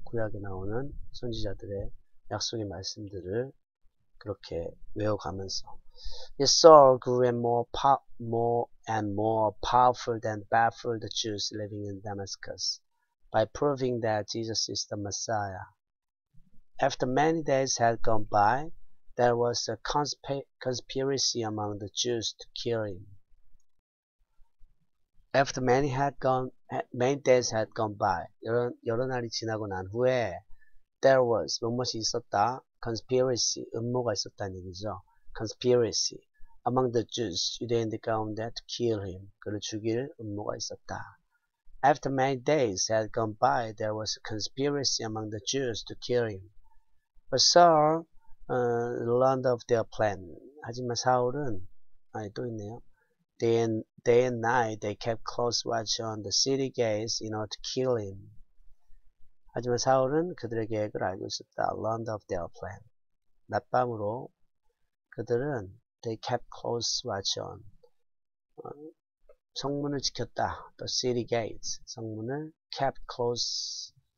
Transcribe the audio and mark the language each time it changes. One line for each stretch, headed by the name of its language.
Korean: 구약에 나오는 선지자들의 약속의 말씀들을 그렇게 외워가면서.
English: Yes, Saul grew more and more powerful than baffled Jews living in Damascus by proving that Jesus is the Messiah. After many days had gone by, there was a conspiracy among the Jews to kill him. After many days had gone by,
Korean: 여러 날이 지나고 난 후에,
English: there was,
Korean: 무엇이 있었다,
English: conspiracy,
Korean: 음모가 있었다는 얘기죠.
English: Conspiracy, among the Jews,
Korean: 유대인들 가운데
English: to kill him,
Korean: 그를 죽일 음모가 있었다.
English: After many days had gone by, there was a conspiracy among the Jews to kill him. But Saul learned of their plan.
Korean: 하지만 사울은, 아니 또 있네요.
English: Day and night they kept close watch on the city gates in order to kill him.
Korean: 하지만 사울은 그들의 계획을 알고 있었다.
English: Learned of their plan.
Korean: 낮밤으로 그들은
English: they kept close watch on.
Korean: 성문을 지켰다.
English: The city gates.
Korean: 성문을
English: kept close.